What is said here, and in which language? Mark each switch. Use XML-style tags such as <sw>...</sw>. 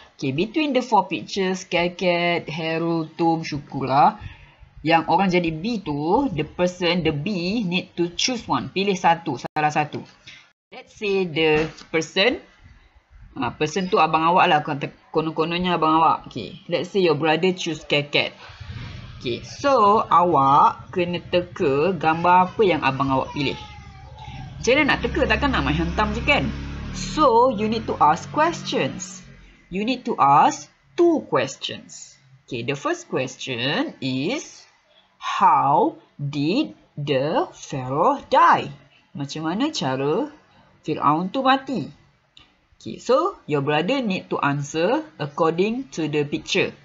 <en>Okay, between the four pictures, Keket, Heru, Tum, Shukura,</en> <ms>yang orang jadi B tu,</ms> <en>the person, the B, need to choose one.</en> <ms>Pilih satu, salah satu.</ms> <en>Let's say the person.</en> <ms>Person tu abang awak lah, konon-kononnya abang awak.</ms> <en>Okay, let's say your brother choose Keket.</en> <ms>Okay, so awak kena teka gambar apa yang abang awak pilih. Macam mana nak teka, takkan nak main hentam je kan?</ms> <en>So, you need to ask questions. You need to ask 2 questions. Okay, the first question is, how did the pharaoh die?</en> <ms>Macam mana cara Fir'aun tu mati?</ms> <en>Okay, so your brother need to answer according to the picture.</en>